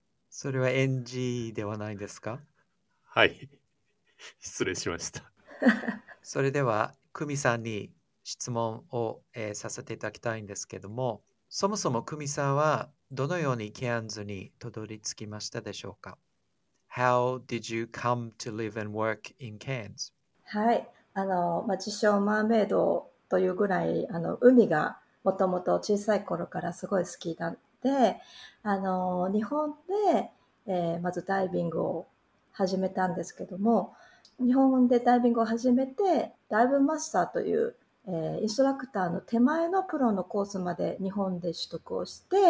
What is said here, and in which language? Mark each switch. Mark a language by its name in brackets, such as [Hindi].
[Japanese] それは NG ではないですか？はい、失礼しました。それではクミさんに質問を、させていただきたいんですけども、そもそもクミさんはどのようにケアンズにたどり着きましたでしょうか？ [English] How did you come to live and work in Cairns? [Japanese] はい、まあ、自称マーメイドというぐらい海がもともと小さい頃からすごい好きなんで、日本で、まずダイビングを始めたんですけども、日本でダイビングを始めて、ダイブマスターという、インストラクターの手前のプロのコースまで日本で取得をし